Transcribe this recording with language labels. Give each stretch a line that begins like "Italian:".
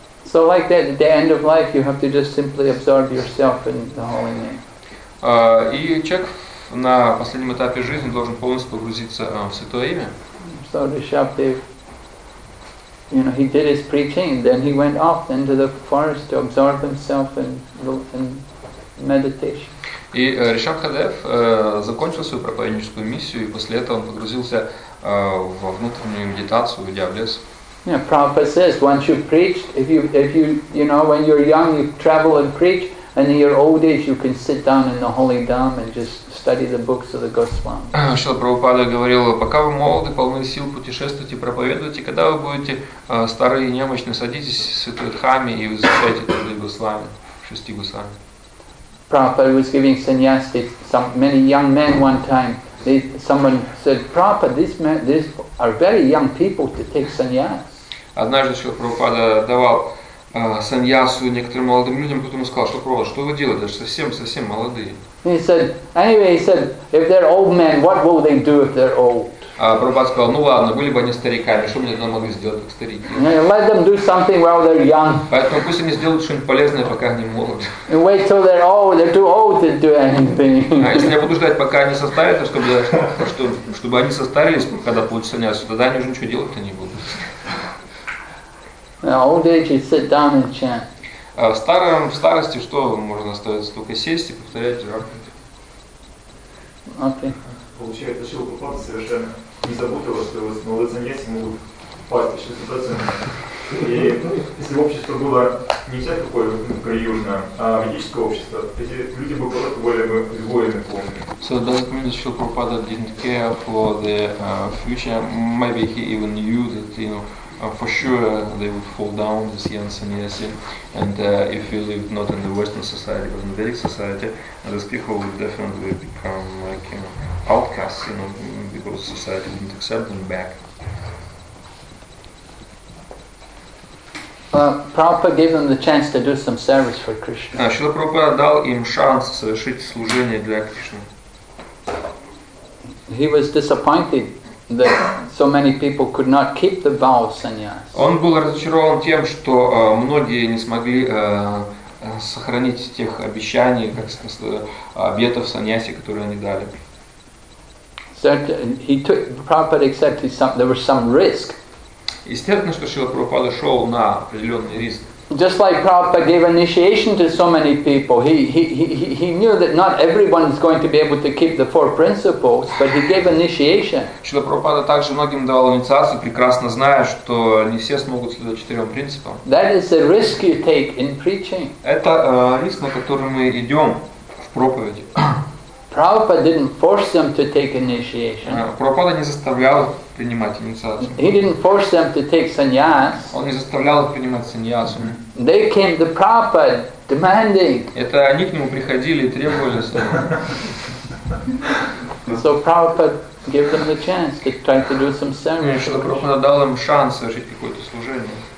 English: So like that, at the end of life, you have to just simply absorb yourself in the holy name.
Russian: И человек на последнем этапе жизни должен полностью погрузиться в Святое Имя.
English: So Rishabdev, you know, he did his preaching, then he went off into the forest to absorb himself in meditation.
Russian: И Ришабхадев закончил свою проповедническую миссию, и после этого он погрузился во внутреннюю медитацию, уйдя в лес.
English: Yeah, Prabhupada says, once you've preached, if you know, when you're young, you travel and preach, and in your old age, you can sit down in the holy dhamma and just study the books of the Госвами.
Russian: Шрила Прабхупада говорил, пока вы молоды, полны сил, путешествуйте, проповедуйте, когда вы будете старые и немощны, садитесь в святой дхамме и изучайте труды Госвами, шести Госвами.
English: Prabhupada was giving sannyasi some many young men one time. Someone said, Prabhupada, these are very young people to take sannyas.
Russian: Однажды Шрила Прабхупада давал саньясу некоторым молодым людям, потом сказал, что Прабхупада, что вы делаете, даже совсем молодые.
English: He said, anyway, he said, if they're old men, what will they do if they're old?
Russian: Прабхупада сказал, ну ладно, были бы они стариками, что мне тогда могли сделать как старики?
English: Let them do something while they're young.
Russian: Поэтому пусть они сделают что-нибудь полезное, пока они молоды.
English: Wait till they're old, they're too old to do anything.
Russian: А если я буду ждать, пока они состарятся, чтобы они состарились, когда получат саньясу, тогда они уже ничего делать-то не будут.
English: In old age, you sit down and chant.
Russian: В старости что можно остается? Только сесть и повторять джапу.
English: Okay.
Russian: Получается, Шрила Прабхупада совершенно не заботила, что его молодые саньяси могут пасть еще 100%. И если бы общество было не взять какое-то приюжное, а ведическое общество, эти люди бы просто были бы воины полные.
English: So does it mean that Шрила Прабхупада didn't care for the future? Maybe he even knew that, you know, for sure they would fall down, this young sannyasi, and if he lived not in the Western society but in the Vedic society, these people would definitely become like, you know, outcasts, you know, because society wouldn't accept them back. Prabhupada gave them the chance to do some service for Krishna.
Russian: Шрила Прабхупада дал им шанс совершить служение для Кришны.
English: He was disappointed that so many people could not keep the vow of sannyas.
Russian: Он был разочарован тем, что многие не смогли сохранить тех обещаний, как сказать, обетов саньяси, которые они дали.
English: Prabhupada accepted some. There was some risk.
Russian: Естественно, что Шрила Прабхупада шел на определенный риск.
English: Just like Prabhupada gave initiation to so many people, he knew that not everyone is going to be able to keep the four principles, but he gave initiation.
Russian: Шрила Прабхупада также многим давал инициацию, прекрасно зная, что не все смогут следовать четырем принципам.
English: That is the risk you take in preaching.
Russian: Это риск, на который мы идем в проповеди.
English: Prabhupada didn't force them to take initiation.
Russian: Прабхупада не заставлял принимать инициацию.
English: He didn't force them to take sannyas.
Russian: Он не заставлял их принимать саньясу.
English: They came to Prabhupada demanding.
Russian: Это они к нему приходили и требовали.
English: So Prabhupada gave them the chance to try to do some service.
Russian: Шрила Прабхупада дал им шанс совершить какое-то служение.